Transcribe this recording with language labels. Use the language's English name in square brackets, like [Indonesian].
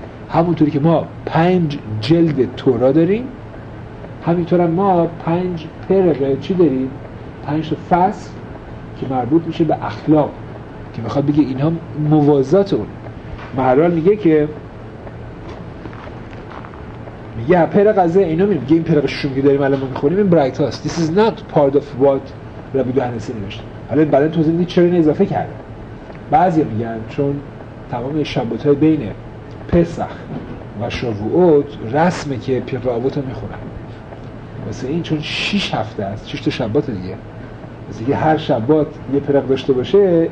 [Persian] همونطوری که ما پنج جلد تورا داریم، همینطور هم ما پنج پرق چی داریم؟ پنج تا فصل که مربوط میشه به اخلاق، که میخواد بگه اینها موازات اون. مهرال میگه که میگه پرقزه اینو میگه این پرقششون که داریم الان ما میخونیم این برایت هاست. [English] This is not part of what [Persian] ربی دهنسی نوشته. حالا بعدا توضیح میدید چرا اضافه کرده. بعضی میگن چون تمام شبات های بین پسخ و شاووت رسمه که پرقاوت رو میخونن، مثل این چون 6 هفته است، 6 تا شبات دیگه، مثل اینکه هر شبات یه پرق داشته باشه.